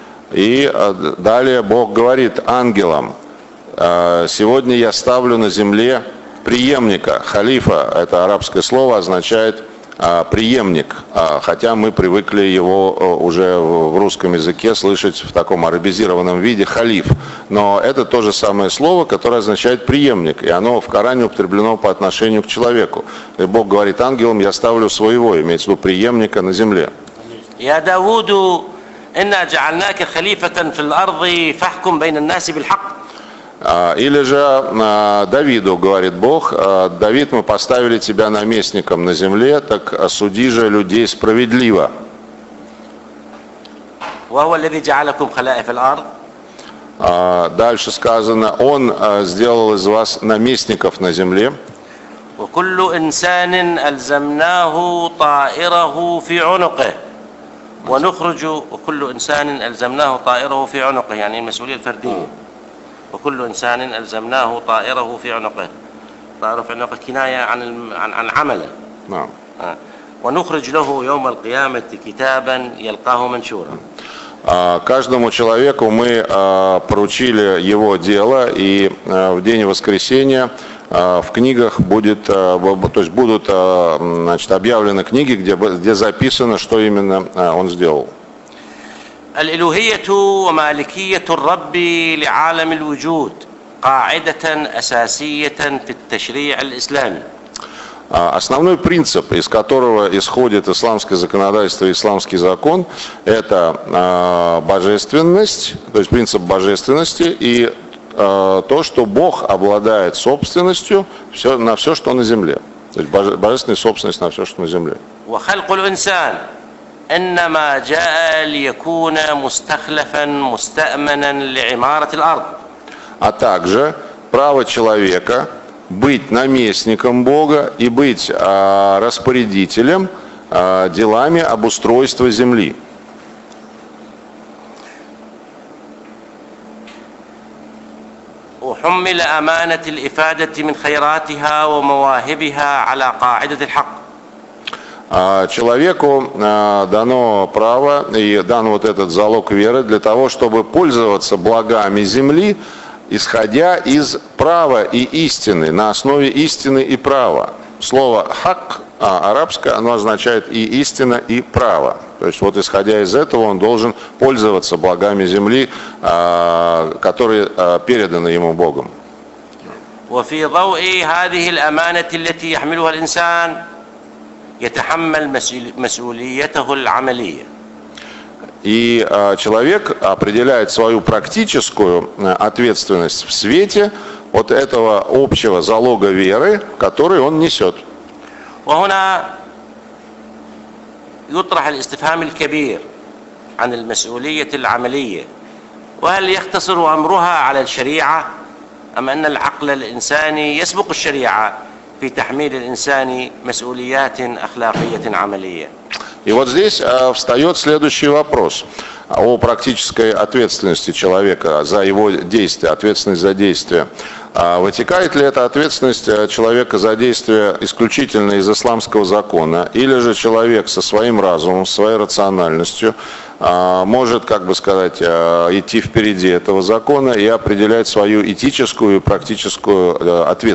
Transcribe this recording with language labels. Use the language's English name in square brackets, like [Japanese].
[Russian] И далее Бог говорит ангелам, сегодня я ставлю на земле преемника, халифа, это арабское слово означает преемник, хотя мы привыкли его уже в русском языке слышать в таком арабизированном виде, халиф, но это то же самое слово, которое означает преемник, и оно в Коране употреблено по отношению к человеку. И Бог говорит ангелам, я ставлю своего, имеется в виду преемника на земле. Я Давуду... [Arabic] إنا جعلناك خليفة في الأرض فاحكم بين الناس بالحق. [Russian] Или же Давиду говорит Бог, Давид, мы поставили тебя наместником на земле, так суди же людей справедливо. [Arabic] وهو الذي جعلكم خلائف الأرض. [Russian] Дальше сказано, Он сделал из вас наместников на земле. [Arabic] وكل إنسان ألزمناه طائره في عنقه. ونخرج وكل إنسان ألزمناه طائره في عنقه يعني المسؤولية الفردية وكل إنسان ألزمناه طائره في عنقه طائره في عنقه كناية عن عمله نعم ونخرج له يوم القيامة كتابا يلقاه منشورا. [Russian] Каждому человеку мы поручили его дело, и в день воскресения в книгах будет, то есть будут, значит, объявлены книги, где записано, что именно он сделал. [Arabic] الإلهية ومالكية الرب لعالم الوجود قاعدة أساسية في التشريع الإسلامي. [Russian] Основной принцип, из которого исходит исламское законодательство, исламский закон, это божественность, то есть принцип божественности и то, что Бог обладает собственностью все, на все, что на земле. То есть божественная собственность на все, что на земле. [Arabic] وخلق الإنسان إنما جاء ليكون مستخلفا مستأمنا لعمارة الأرض. [Russian] А также право человека быть наместником Бога и быть распорядителем делами обустройства земли. [Arabic] وحمل أمانة الإفادة من خيراتها ومواهبها على قاعدة الحق. [Russian] Человеку дано право и дан вот этот залог веры для того, чтобы пользоваться благами земли исходя из права и истины, на основе истины и права. Слово «хак» арабское, оно означает и истина, и право. То есть вот исходя из этого, он должен пользоваться благами земли, которые переданы ему Богом. [Arabic] وفي ضوء هذه الأمانة التي يحملها الإنسان يتحمل مسؤوليته العملية. [Russian] И человек определяет свою практическую ответственность в свете вот этого общего залога веры, который он несет. [Arabic] وهنا يطرح الاستفهام الكبير عن المسؤولية العملية وهل يختصر أمرها على الشريعة؟ أم أن العقل الإنساني يسبق الشريعة في تحميل الإنسان مسؤوليات أخلاقية عملية. [Russian] И вот здесь встает следующий вопрос о практической ответственности человека за его действия, ответственность за действия. Вытекает ли эта ответственность человека за действия исключительно из исламского закона, или же человек со своим разумом, своей рациональностью может, как бы сказать, идти впереди этого закона и определять свою этическую и практическую